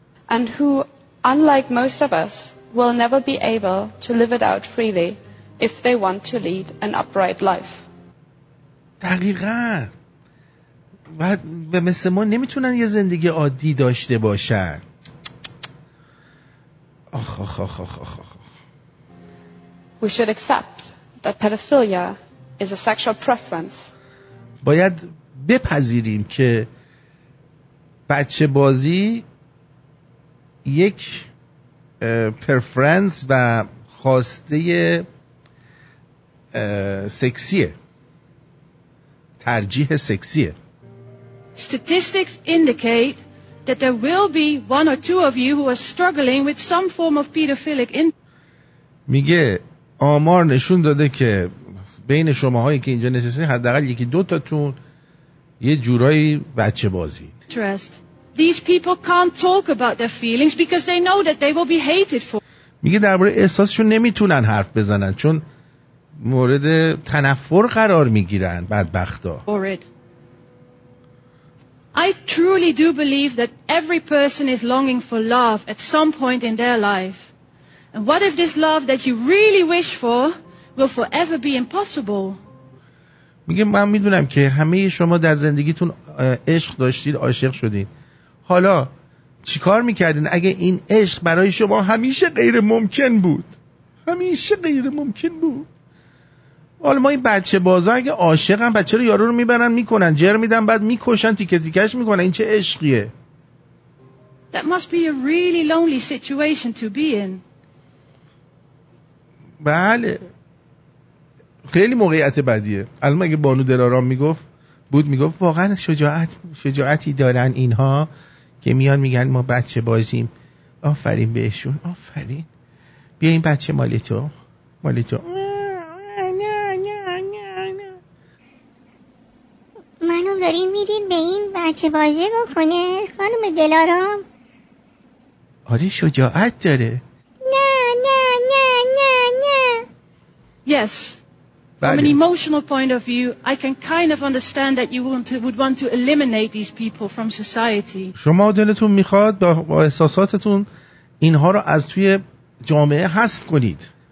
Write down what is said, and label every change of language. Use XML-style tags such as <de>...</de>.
<en>And who, unlike most of us, will never be able to live it out freely if they want to lead an upright life.</en> <fa>دقیقاً. و مثل ما نمیتونن یه زندگی عادی داشته باشن. آخ آخ آخ آخ آخ آخ.</fa> <en>We should accept that pedophilia is a sexual preference.</en> <fa>باید بپذیریم که بچه بازی یک پرفرنس و خواسته سکسیه، ترجیح سکسیه.</fa> <en>Statistics indicate that there will be one or two of you who are struggling with some form of pedophilic in.</en> <fa>میگه آمار نشون داده که بین شماهایی که اینجا نشستین حداقل یکی دو تاتون یه جورایی بچه بازی.</fa> <en>These people can't talk about their feelings because they know that they will be hated for.</en> <fa>میگه درباره احساسشون نمیتونن حرف بزنن چون مورد تنفر قرار میگیرن بدبختا.</fa> <en>I truly do believe that every person is longing for love at some point in their life. And what if this love that you really wish for will forever be impossible?</en> <fa>میگه من میدونم که همه شما در زندگیتون عشق داشتید، عاشق شدید. حالا چیکار میکردین اگه این عشق برای شما همیشه غیر ممکن بود؟ همیشه غیر ممکن بود. حالا ما این بچه بازا اگه عاشق هم بچه رو یارو رو میبرن میکنن جر میدن بعد میکشن تیکه تیکش میکنن، این چه عشقیه؟</fa> <en>That must be a really lonely situation to be in.</en> <fa>بله خیلی موقعیت بدیه. الان اگه بانو دلارام میگفت بود میگفت واقعا شجاعتی دارن اینها که میان میگن ما بچه بازیم. آفرین بهشون، آفرین. بیا این بچه مالی تو. منو دارین میدین به این بچه بازه بکنه خانم دلارام؟ آره شجاعت داره. نه نه نه نه نه.</fa> <en>Yes.</en> <fa>بله.</fa> <en>From an emotional point of view, I can kind of understand that you would want to eliminate these people from society.</en> <fa>شما دلتون میخواد با احساساتتون اینها رو از توی جامعه حذف کنید.</fa>